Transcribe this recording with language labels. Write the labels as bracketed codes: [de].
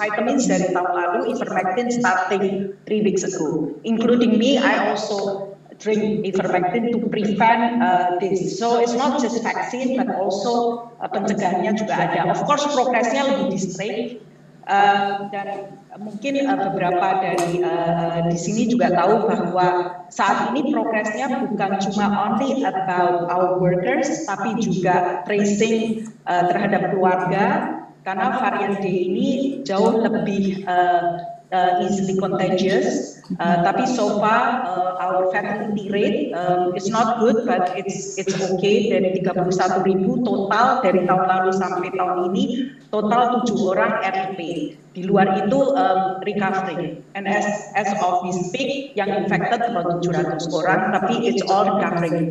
[en] Vitamins [id] dari tahun lalu, [en] ivermectin starting 3 weeks ago. Including me, I also drink ivermectin to prevent this. So it's not just vaccine, but also [id] pencegahannya juga ada. [en] Of course, progressnya lebih distinct. [id] Dan mungkin beberapa dari di sini juga tahu bahwa saat ini progresnya bukan cuma [en] only about our workers, [id] tapi juga tracing terhadap keluarga, karena varian D ini jauh lebih [en] easily contagious. Tapi so far our fatality rate is not good, but it's okay. [id] Dari 31.000 total dari tahun lalu sampai tahun ini, total 7 orang RP. Di luar itu recovering. [en] And as of we speak, yang infected [id] cuma 700 orang, [en] tapi it's all recovering.